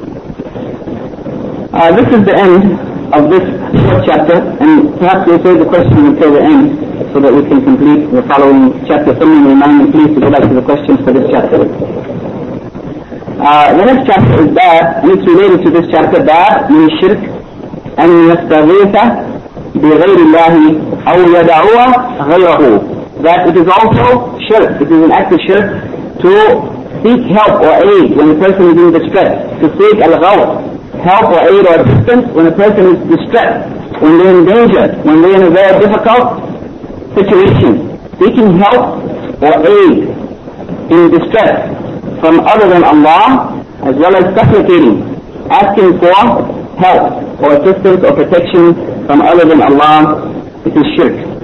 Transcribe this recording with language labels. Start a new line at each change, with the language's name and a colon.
English: This is the end of this fourth chapter, and perhaps we'll save the question until the end so that we can complete the following chapter. Someone remind me please to go back to the questions for this chapter. The next chapter is Bab, and it's related to this chapter. Bab means shirk.
Arabic: أن يستغيث بغير الله أو يدعوه غيره.
English: That it is also shirk, it is an act of shirk to seek help or aid when a person is in distress, to seek al-ghawth, help or aid or assistance when a person is distressed, when they're in danger, when they're in a very difficult situation. Seeking help or aid in distress from other than Allah, as well as supplicating, asking for help or assistance or protection from other than Allah, it is shirk.